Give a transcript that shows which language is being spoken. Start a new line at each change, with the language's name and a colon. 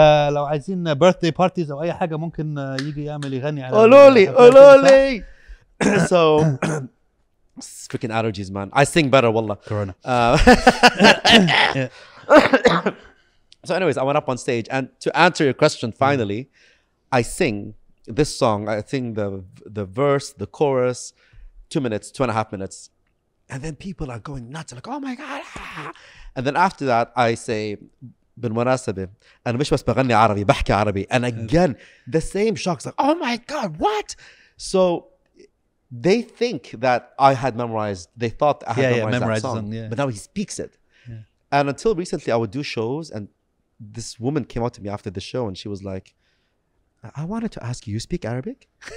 Arabic: لو عايزين
English: birthday parties
Arabic: أو أي حاجة ممكن يجي يعمل يغني على قولولي
English: so freaking allergies man I sing better
Arabic: والله
English: corona So anyways, I went up on stage and to answer your question, finally, I sing this song. I sing the verse, the chorus, 2 minutes, 2.5 minutes. And then people are going nuts. They're like, oh my God. And then after that, I say,
Arabic: بالمناسبة, أنا مش بس بغني عربي, بحكي عربي.
English: And again, the same shock. It's like, oh my God, what? So they think that I had memorized, they thought I had memorized that song. Them, yeah. But now he speaks it. Yeah. And until recently, I would do shows and this woman came out to me after the show and she was like, I wanted to ask you, you speak Arabic?